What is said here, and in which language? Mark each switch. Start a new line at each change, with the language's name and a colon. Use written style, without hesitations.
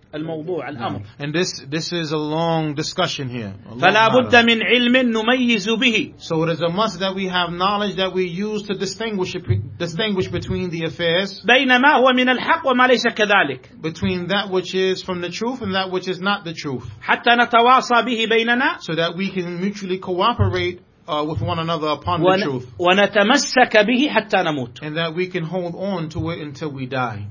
Arabic: الموضوع الأمر.
English: And this is a long discussion here.
Arabic: فلا بد من علم نميز به.
English: So it is a must that we have knowledge that we use to distinguish between the affairs.
Arabic: بين ما هو من الحق وما ليس كذلك.
English: Between that which is from the truth and that which is not the truth.
Arabic: حتى نتواصى به بيننا.
English: So that we can mutually cooperate with one another upon the truth.
Arabic: ونتمسك به حتى نموت.
English: And that we can hold on to it until we die.